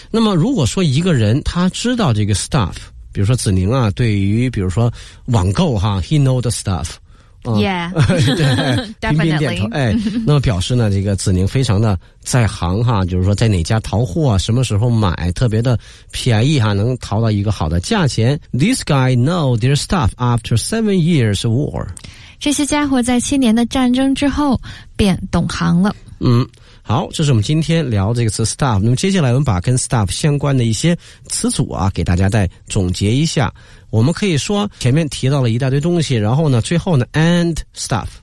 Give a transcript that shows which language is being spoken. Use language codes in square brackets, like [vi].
[zh] 那么如果说一个人他知道这个 stuff。比如说子宁啊，对于比如说网购哈 ， [en] he know the stuff， yeah， [zh] 频频点头，哎，那么表示呢，这个子宁非常的在行哈，就是说在哪家淘货、啊，什么时候买，特别的便宜哈，能淘到一个好的价钱。 [en] This guy know their stuff after 7 years of war。 [zh] 这些家伙在7年的战争之后便懂行了。好，这是我们今天聊这个词 stuff。那么接下来我们把跟 stuff 相关的一些词组啊给大家再总结一下。我们可以说前面提到了一大堆东西，然后呢最后呢 [en] and stuff。